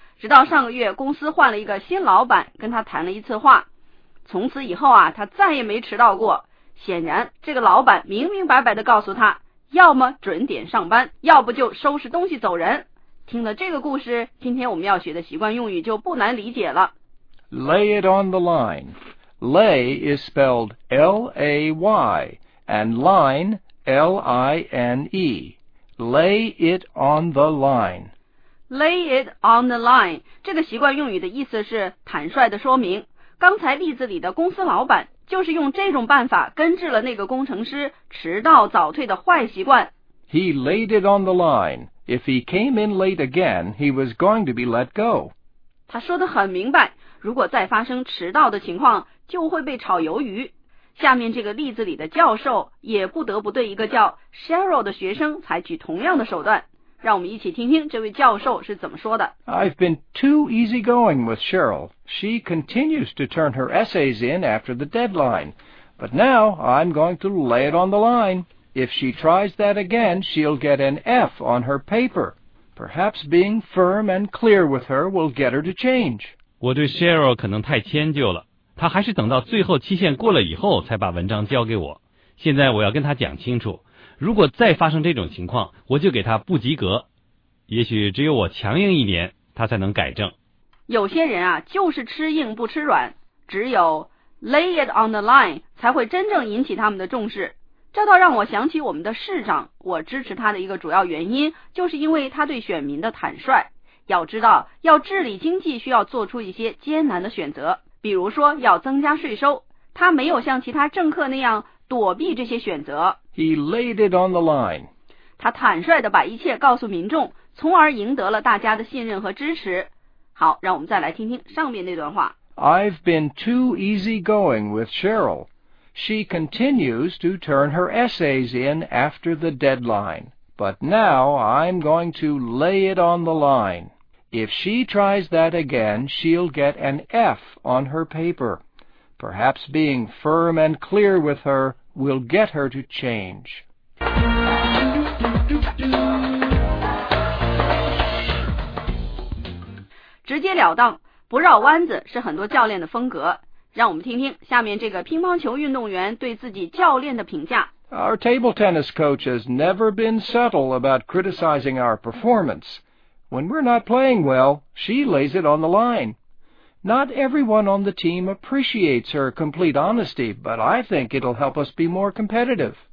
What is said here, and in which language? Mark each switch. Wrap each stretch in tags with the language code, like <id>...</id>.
<zh>直到上个月公司换了一个新老板跟他谈了一次话，从此以后啊，他再也没迟到过。显然这个老板明明白白地告诉他，要么准点上班，要不就收拾东西走人。听了这个故事，今天我们要学的习惯用语就不难理解了。</zh> <en>Lay it on the line. Lay is spelled L-A-Y and line L-I-N-E. Lay it on the line Lay it on the line，</en> <zh>这个习惯用语的意思是坦率的说明。刚才例子里的公司老板就是用这种办法根治了那个工程师迟到早退的坏习惯。</zh> <en>He laid it on the line if he came in late again, he was going to be let go.</en> <zh>他说得很明白，如果再发生迟到的情况，就会被炒鱿鱼。下面这个例子里的教授也不得不对一个叫 Cheryl 的学生采取同样的手段。让我们一起听听这位教授是怎么说的。</zh> <en>I've been too easygoing with Cheryl. She continues to turn her essays in after the deadline. But now I'm going to lay it on the line. If she tries that again, she'll get an F on her paper. Perhaps being firm and clear with her will get her to change.</en> <zh>我对 Cheryl 可能太迁就了。他还是等到最后期限过了以后才把文章交给我。现在我要跟他讲清楚，如果再发生这种情况，我就给他不及格。也许只有我强硬一点，他才能改正。有些人啊，就是吃硬不吃软，只有</zh> <en>lay it on the line</en> <zh>才会真正引起他们的重视。这倒让我想起我们的市长，我支持他的一个主要原因，就是因为他对选民的坦率。要知道，要治理经济需要做出一些艰难的选择。比如说要增加税收，他没有像其他政客那样躲避这些选择。</zh> <en>He laid it on the line.</en> <zh>他坦率地把一切告诉民众，从而赢得了大家的信任和支持。好，让我们再来听听上面那段话。</zh> <en>I've been too easygoing with Cheryl. She continues to turn her essays in after the deadline. But now I'm going to lay it on the line. If she tries that again, she'll get an F on her paper. Perhaps being firm and clear with her will get her to change.</en> <zh>直接了当，不绕弯子是很多教练的风格。让我们听听下面这个乒乓球运动员对自己教练的评价。</zh> <en>Our table tennis coach has never been subtle about criticizing our performance. When we're not playing well, she lays it on the line. Not everyone on the team appreciates her complete honesty, but I think it'll help us be more competitive.</en>